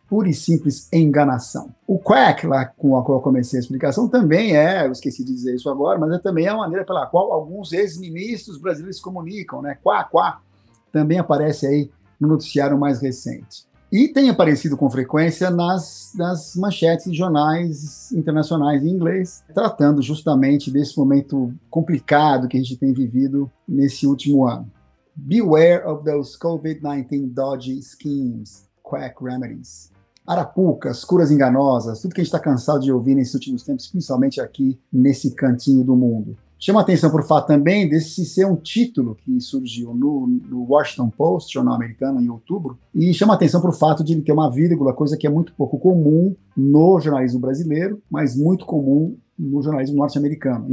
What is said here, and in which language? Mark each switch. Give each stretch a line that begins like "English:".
Portuguese: Pura e simples enganação. O quack, lá com a qual eu comecei a explicação, também é, eu esqueci de dizer isso agora, mas é também a maneira pela qual alguns ex-ministros brasileiros se comunicam, né? Quá, quá. Também aparece aí no noticiário mais recente. E tem aparecido com frequência nas manchetes de jornais internacionais em inglês, tratando justamente desse momento complicado que a gente tem vivido nesse último ano.
English: Beware of those COVID-19 dodgy schemes, quack remedies.
Portuguese: Arapucas, curas enganosas, tudo que a gente está cansado de ouvir nesses últimos tempos, principalmente aqui nesse cantinho do mundo. Chama atenção para o fato também desse ser um título que surgiu no Washington Post, jornal americano, em outubro, e chama atenção para o fato de ele ter uma vírgula, coisa que é muito pouco comum no jornalismo brasileiro, mas muito comum no jornalismo norte-americano.